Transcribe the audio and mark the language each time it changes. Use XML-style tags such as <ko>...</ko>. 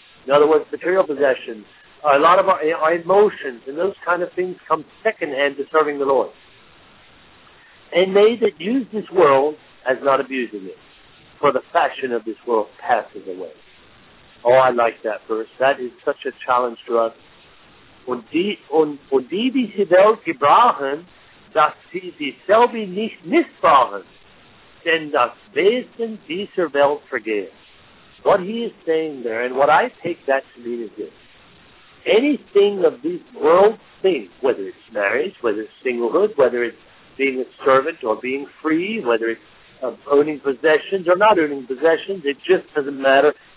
<en>In other words, material possessions, a lot of our emotions and those kind of things come secondhand to serving the Lord. And they that use this world as not abusing it, for the fashion of this world passes away. Oh, I like that verse. That is such a challenge to us.</en> <de>Und die, die sie Welt gebrauchen, dass sie dieselbe nicht missbrauchen, denn das Wesen dieser Welt vergeht.</de> <en>What he is saying there, and what I take that to mean is this. Anything of these world things, whether it's marriage, whether it's singlehood, whether it's being a servant or being free, whether it's owning possessions or not owning possessions, it just doesn't matter.</en>